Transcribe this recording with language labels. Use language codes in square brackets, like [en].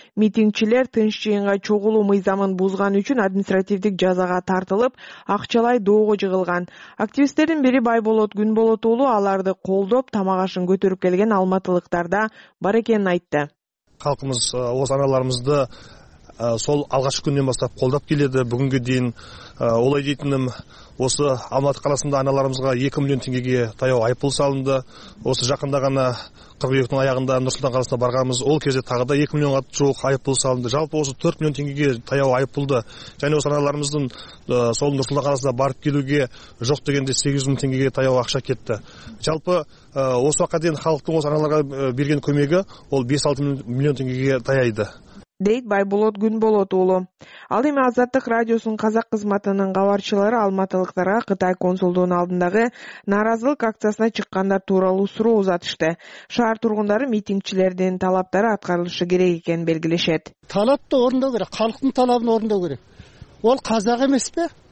[ky] Митингчилер тынч жыйынга чогулуу мыйзамын бузган үчүн административдик жазага тартылып, акчалай доого жыгылган. Активисттердин бири Байболот Күнболот уулу аларды колдоп тамак ашын көтөрүп келген алматылыктар да бар экенин айтты. [kk] Халкыбыз оз аналарыбызды сол алгачкы күндөн баштап колдоп келеди. Бүгүнгө дейин олай дейтиним, осы Алматы қаласында аналарымызға 2 миллион теңгеге таяу айыппұл салынды. Осы жақында ғана 42-тің аяғында Нұрсұлтан қаласына барғанымыз, ол кезде тағы да 2 миллионға жуық айыппұл салынды. Жалпы осы 4 миллион теңгеге таяу айыппұлды және осы аналарымыздың сол Нұрсұлтан қаласына барып келуге жоқ дегенде 800 мың теңгеге таяу ақша кетті. Жалпы осы уақытқа дейін халықтың осы аналарға берген көмегі ол 5-6 миллион теңгеге таяйды. [ky] Дейт Байболот Күнболот уулу. Ал эми Азаттык радиосунун казак кызматынын кабарчылары алматылыктарга Кытай консулдугунун алдындагы нааразылык акциясына чыккандар тууралуу суроо узатышты. Шаар тургундары митингчилердин талаптары аткарылышы керек экенин белгилешет. [kk] Талапты орундоо керек, калктын талабын орундоо керек. Ол казак эмеспи?